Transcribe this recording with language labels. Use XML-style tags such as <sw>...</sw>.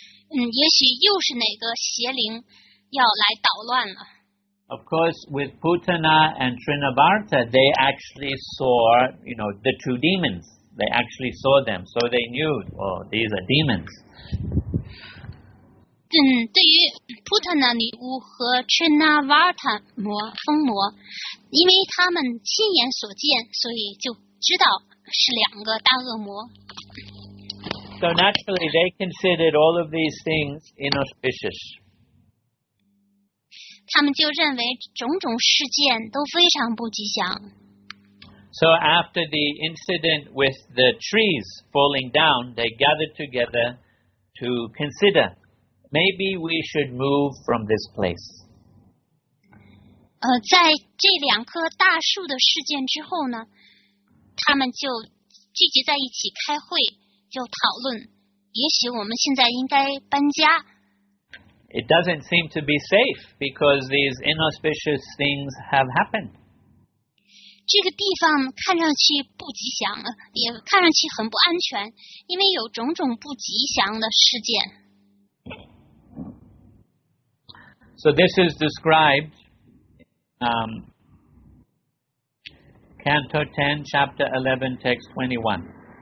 <zh>也许又是哪个邪灵要来捣乱了。</zh> <en>Of course, with Putana and Srinivarta, they actually saw, you know, the two demons. They actually saw them, so they knew, oh, these are demons.</en> <zh>对于普塔纳尼乌和切纳瓦尔塔摩疯魔，因为他们亲眼所见，所以就知道是两个大恶魔。</zh> <en>So naturally, they considered all of these things inauspicious.</en> <zh>他们就认为种种事件都非常不吉祥。</zh> <en>So after the incident with the trees falling down, they gathered together to consider, maybe we should move from this place.</en> <zh>在这两棵大树的事件之后呢，他们就聚集在一起开会，就讨论，也许我们现在应该搬家。</zh> <en>It doesn't seem to be safe because these inauspicious things have happened.</en> <zh>这个地方看上去不吉祥，也看上去很不安全，因为有种种不吉祥的事件。</zh> <en>So this is described, Canto 10, Chapter 11, Text 21.</en>